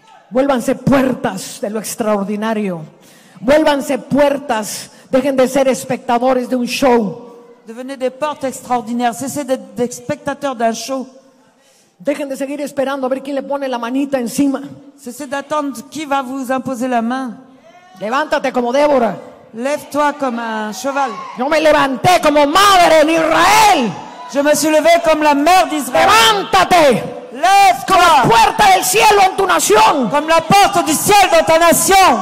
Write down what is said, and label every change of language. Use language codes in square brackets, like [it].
[es] Vuélvanse puertas de lo extraordinario. Vuélvanse puertas. Dejen de ser espectadores de un show. [fr] Devenez des portes extraordinaires. Cessez d'être spectateurs d'un show. [es] Dejen de seguir esperando a ver quién le pone la manita encima. [fr] Cessez d'attendre qui va vous imposer la main. [es] Levántate como Débora. [fr] Lève-toi comme un cheval. [es] Yo me levanté como madre en Israel. [fr] Je me suis levé comme la mère d'Israël. [es] Levántate. [fr] Lève-toi. [es] Como la puerta del cielo en tu nación. [fr] Comme la porte du ciel dans ta nation.